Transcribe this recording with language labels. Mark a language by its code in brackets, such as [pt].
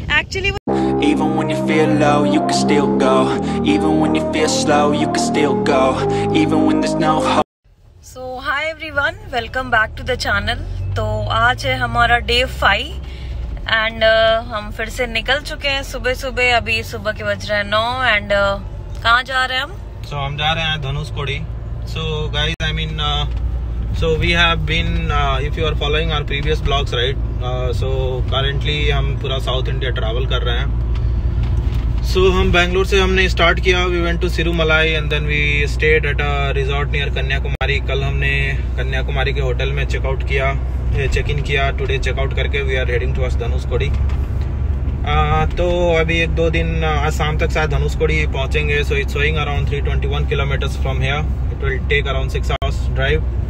[en] Actually, even when you feel low, you can still go. Even when you feel slow, you can still go. Even when there's no hope. So, hi everyone, welcome back to the channel. [hi] तो आज है हमारा day 5 and हम फिर से निकल चुके हैं सुबह सुबह. अभी सुबह के बज रहे हैं 9 एंड कहाँ जा रहे हैं हम? So, हम जा रहे हैं Dhanushkodi. [en] So, guys, I mean, so we have been, if you are following our previous vlogs, right? [hi] So currently हम पूरा साउथ इंडिया ट्रैवल कर रहे हैं. [en] So [hi] हम बैंगलोर से हमने स्टार्ट किया, [en] we went to Sirumalai and then we stayed at a resort near Kanyakumari. [hi] कल हमने कन्याकुमारी के होटल में चेकआउट किया, चेक इन किया. टुडे चेकआउट करके [en] we are heading towards [hi] Dhanushkodi. तो अभी एक दो दिन, आज शाम तक शायद धनुषकोडी पहुंचेंगे. [en] So it's showing around 321 kilometres from here. It will take around 6 hours drive.